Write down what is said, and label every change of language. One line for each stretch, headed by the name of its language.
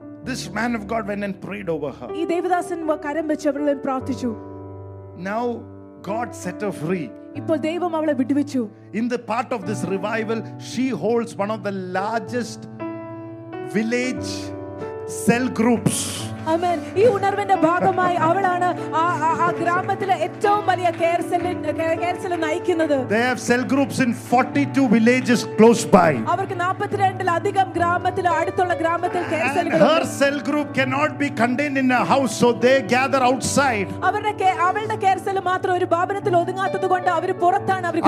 English: This man of God went and prayed over her.
Malayalam: Ee devadasan karam vechu avale prarthichu.
English: Now God set her free.
Malayalam: ഇപ്പോൾ ദൈവം അവളെ വിടുവിച്ചു.
English: In the part of this revival, she holds one of the largest village cell groups. Amen.
Malayalam: ഈ ഉണർവിന്റെ ഭാഗമായി അവളാണ് ആ ഗ്രാമത്തിലെ ഏറ്റവും വലിയ കെയർ സെൽ നയിക്കുന്നത്.
English: They have cell groups in 42 villages close by.
Malayalam: അവർക്ക് 42 ൽ അധികം ഗ്രാമത്തിലെ അടുത്തുള്ള ഗ്രാമത്തിൽ കെയർ സെല്ലുകൾ.
English: Her cell group cannot be contained in a house, so they gather outside.
Malayalam: അവളുടെ കെയർ സെൽ മാത്രം ഒരു ഭവനത്തിൽ ഒതുങ്ങാത്തതുകൊണ്ട് അവർ പുറത്താണ് അവർ.